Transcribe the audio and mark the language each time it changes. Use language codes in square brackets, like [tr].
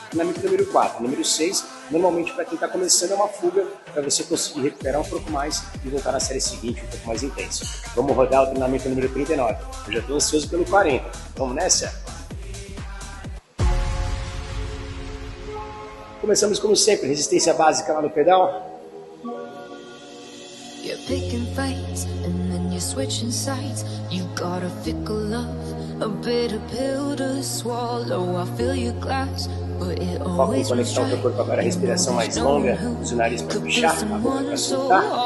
[pt] Treinamento número 4, número 6, normalmente para quem está começando é uma fuga, para você conseguir recuperar um pouco mais e voltar na série seguinte um pouco mais intenso. Vamos rodar o treinamento número 39, eu já estou ansioso pelo 40, vamos nessa? Começamos como sempre, resistência básica lá no pedal. [en] You're picking fights and then you're switching sides. You got a fickle love, a bitter pill to swallow. I fill your glass, but it always was dry. [pt] Agora a respiração mais longa, os nariz para puxar, a boca para soltar.